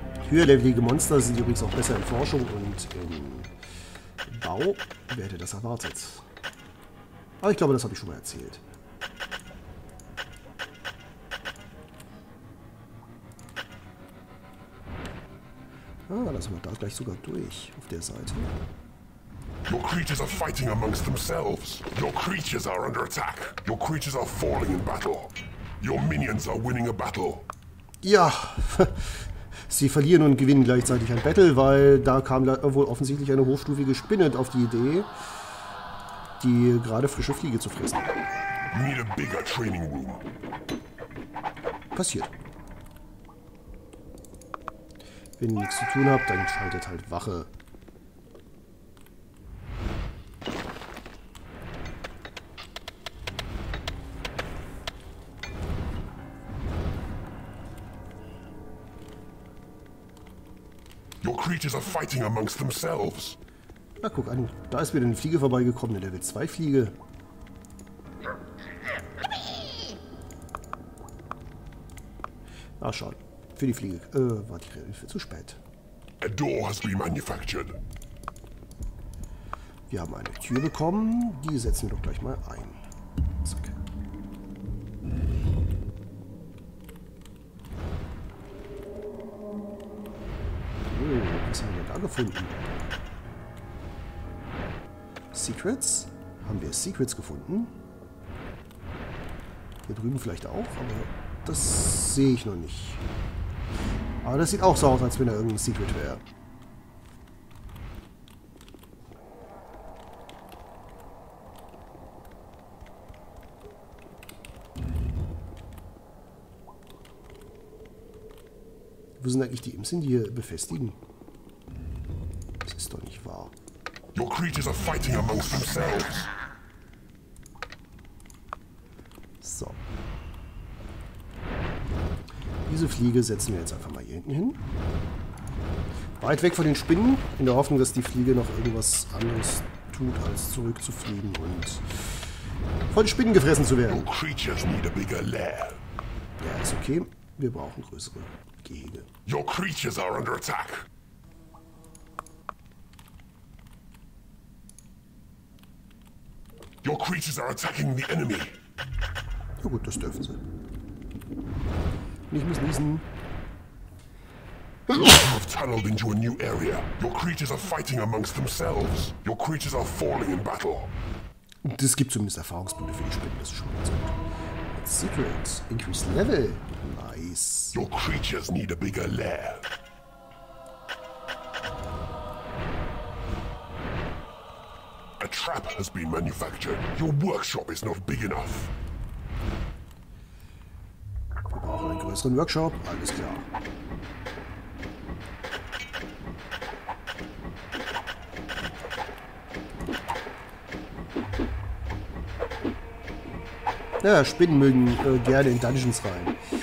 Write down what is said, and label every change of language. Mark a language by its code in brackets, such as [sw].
[de] Höherlevelige Monster sind übrigens auch besser in Forschung und im Bau. Wer hätte das erwartet? Aber ich glaube, das habe ich schon mal erzählt. Ah, da sind wir da gleich sogar durch, auf der Seite. [en] Your creatures are fighting amongst themselves. Your creatures are under attack. Your creatures are falling in battle. Your minions are winning a battle. [de] Ja, sie verlieren und gewinnen gleichzeitig ein Battle, weil da kam wohl offensichtlich eine hochstufige Spinne auf die Idee, die gerade frische Fliege zu fressen. [en] You need a bigger training room. [de] Passiert. Wenn ihr nichts zu tun habt, dann schaltet halt Wache. [en] Your creatures are fighting amongst themselves. [de] Na guck an, da ist wieder eine Fliege vorbeigekommen, eine Level 2 Fliege. Ach schon, für die Fliege. War die Hilfe zu spät. [en] A door has been manufactured. [de] Wir haben eine Tür bekommen, die setzen wir doch gleich mal ein. Zack. Was haben wir da gefunden? Secrets? Haben wir Secrets gefunden? Hier drüben vielleicht auch, aber das sehe ich noch nicht. Aber das sieht auch so aus, als wenn da irgendein Secret wäre. Wo sind eigentlich die Imps, die hier befestigen? Doch nicht wahr. [en] Your creatures are fighting amongst themselves. [de] So. Diese Fliege setzen wir jetzt einfach mal hier hinten hin. Weit weg von den Spinnen, in der Hoffnung, dass die Fliege noch irgendwas anderes tut, als zurückzufliegen und von Spinnen gefressen zu werden. [en] Your creatures need a bigger lair. [de] Ja, ist okay. Wir brauchen größere Gehege. [en] Your creatures are under attack. Your creatures are attacking the enemy. [de] Ja gut, das dürfen sie. Ich muss niesen. [en] You have tunneled into a new area. Your creatures are fighting amongst themselves. Your creatures are falling in battle. [de] Das gibt zumindest Erfahrungspunkte für die Spinnen, das ist schon ganz gut. [en] Secret, increase level. Nice. Your creatures need a bigger lair. A trap has been manufactured. Your workshop is not big enough. [de] Wir brauchen einen größeren Workshop. Alles klar. Ja, Spinnen mögen gerne in Dungeons rein.